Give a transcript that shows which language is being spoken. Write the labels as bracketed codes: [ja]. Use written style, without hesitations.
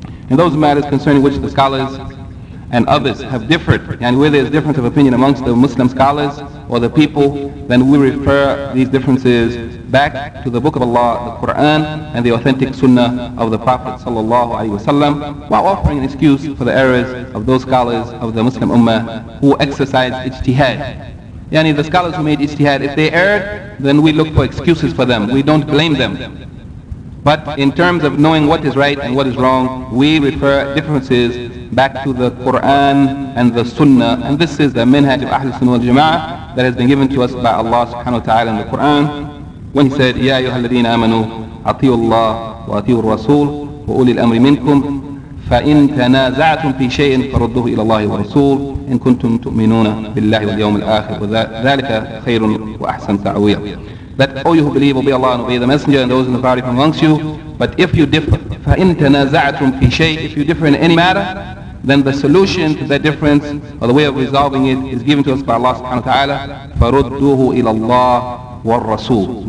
[en] And those matters concerning which the scholars and others have differed, and where there is difference of opinion amongst the Muslim scholars or the people, then we refer these differences back to the Book of Allah, the Quran, and the authentic Sunnah of the Prophet sallallahu alaihi wasallam, while offering an excuse for the errors of those scholars of the Muslim Ummah who exercise ijtihad. Yani the scholars who made ijtihad, if they erred, then we look for excuses for them. We don't blame them. But in terms of knowing what is right and what is wrong, we refer differences back to the Quran and the Sunnah. And this is the minhaj of Ahl Sunnah wal Jama'ah that has been given to us by Allah subhanahu wa ta'ala in the Quran, when He said, [ar] يَا أَيُّهَا الَّذِينَ آمَنُوا أَطِيعُوا اللَّهَ وَأَطِيعُوا الرَّسُولَ وَأُولِي الْأَمْرِ مِنْكُمْ فَإِنْ تَنَازَعْتُمْ فِي شَيْءٍ فَرُدُّوهُ إِلَى اللَّهِ وَرَسُولِهِ إِنْ كُنْتُمْ تُؤْمِنُونَ بِاللَّهِ وَالْيَوْمِ الْآخِرِ وَذَلِكَ خَيْرٌ وَأَحْسَنُ تَأْوِيلًا. [en] That, O you who believe, obey Allah and obey the Messenger and those in the party from amongst you. But if you differ, [ar] فَإِنْ تَنَازَعْتُمْ فِي شَيْءٍ, [en] if you differ in any matter, then the solution to that difference or the way of resolving it is given to us by Allah subhanahu wa ta'ala, [ar] فَرُدُّوهُ إِلَى اللَّهِ وَالرَّسُولِ.